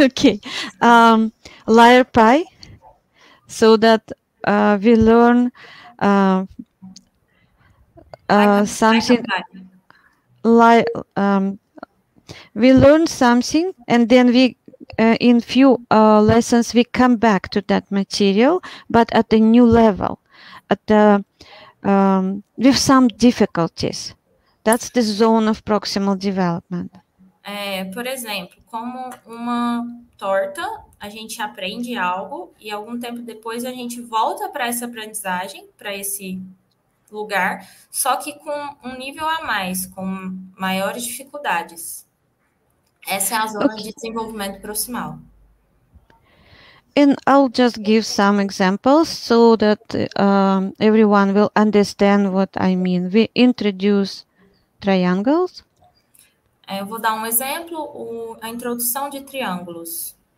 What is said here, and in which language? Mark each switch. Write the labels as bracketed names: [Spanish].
[English] Okay. Layer pie, so that we learn something. We learn something, and then we in few lessons we come back to that material, but at a new level, at the with some difficulties. That's the zone of proximal development. [Portuguese] Por exemplo, como uma torta, a gente aprende algo e algum tempo depois a gente volta para essa aprendizagem, para esse lugar, só que com um nível a mais, com maiores dificuldades. Essa é a zona de desenvolvimento proximal. [English] And I'll just give some examples so that everyone will understand what I mean. We introduce triangles. [Portuguese] Eu vou dar um exemplo, a introdução de triângulos.